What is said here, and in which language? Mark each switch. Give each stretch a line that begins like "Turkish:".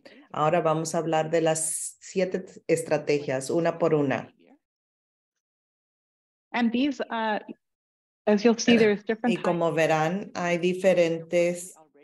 Spanish: Ahora vamos a hablar de las 7 estrategias, una por una.
English: And these, as you'll see, there's different.
Spanish: Y como verán, hay diferentes.